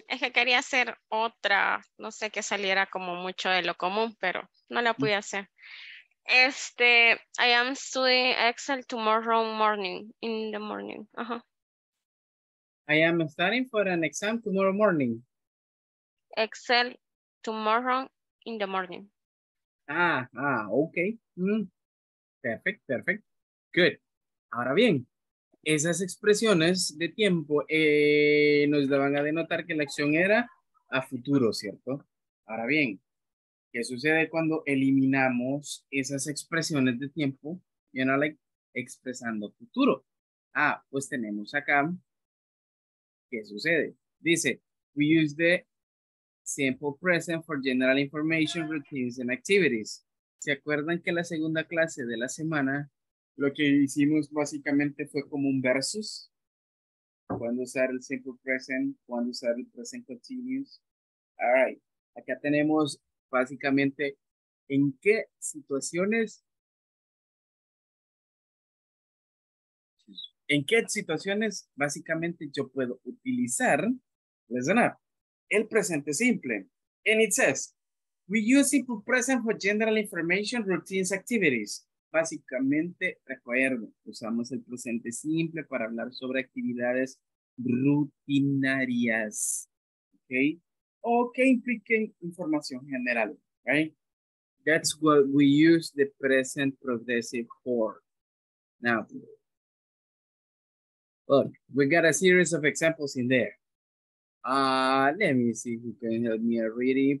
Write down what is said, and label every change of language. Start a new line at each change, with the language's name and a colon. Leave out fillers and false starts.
Spanish: Es que quería hacer otra, no sé, que saliera como mucho de lo común, pero no la pude hacer.
English: Este, I am studying Excel tomorrow morning, in the morning. Ajá. I am studying for an exam tomorrow morning. Excel tomorrow in the morning. Okay. Perfect, perfect. Good.
Spanish: Ahora bien, esas expresiones de tiempo nos van a denotar que la acción era a futuro, ¿cierto? Ahora bien, ¿qué sucede cuando eliminamos esas expresiones de tiempo?
English: You know, like,
Spanish: expresando futuro. Ah, pues tenemos acá, ¿qué sucede?
English: Dice, we use the simple present for general information, routines, and activities.
Spanish: ¿Se acuerdan que la segunda clase de la semana lo que hicimos básicamente fue como un versus? ¿Cuándo usar el simple present? ¿Cuándo usar el present continuous?
English: All right.
Spanish: Acá tenemos básicamente en qué situaciones. En qué situaciones básicamente yo puedo utilizar.
English: Listen up.
Spanish: El presente simple.
English: And it says, we use simple present for general information, routines, activities.
Spanish: Básicamente, recuerdo, usamos el presente simple para hablar sobre actividades rutinarias. ¿Ok? O que impliquen información general. Right?
English: That's what we use the present progressive for. Now, look, we got a series of examples in there. Let me see if you can help me a reading.